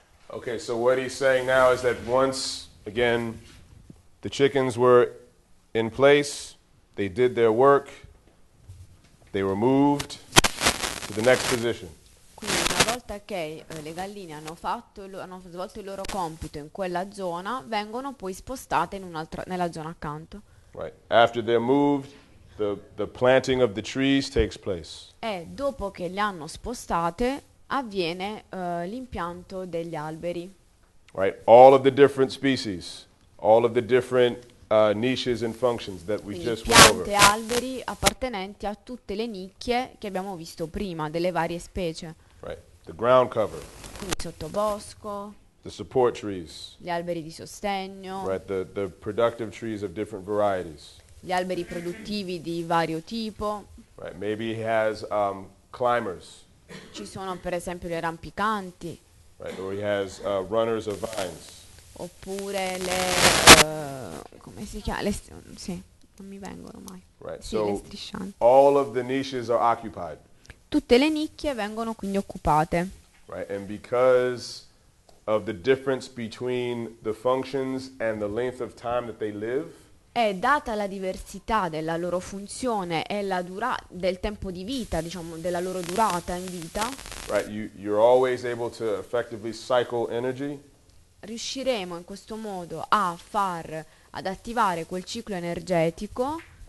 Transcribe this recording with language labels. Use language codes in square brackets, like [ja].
[en] Okay, so what he's saying now is that once, again, the chickens were in place, they did their work, they were moved to the next position. [it] Quindi una volta che le galline hanno svolto il loro compito in quella zona, vengono poi spostate in un'altra, nella zona accanto. [en] Right. After they're moved, the planting of the trees takes place. [it] E dopo che le hanno spostate, avviene l'impianto degli alberi. [en] Right, all of the different species, all of the different niches and functions that we just went over. [it] Piante, alberi appartenenti a tutte le nicchie che abbiamo visto prima delle varie specie. [en] Right, the ground cover. [it] Il sottobosco. [en] The support trees. [it] Gli alberi di sostegno. [en] Right, the productive trees of different varieties. [it] Gli alberi produttivi di vario tipo. [en] Right, maybe he has climbers. [it] Ci sono per esempio gli arrampicanti. [en] Right, or he has runners of vines. [it] Oppure le come si chiama? Sì, non mi vengono mai. [en] Right, [it] sì, [en] so [it] le striscianti. [en] All of the niches are occupied. [it] Tutte le nicchie vengono quindi occupate. [en] Right, and because of the difference between the functions and the length of time that they live. [it] E data la diversità della loro funzione e la durata del tempo di vita, diciamo, della loro durata in vita, [en] right, you're always able to effectively cycle energy. [it] Riusciremo in questo modo a far ad attivare quel ciclo energetico.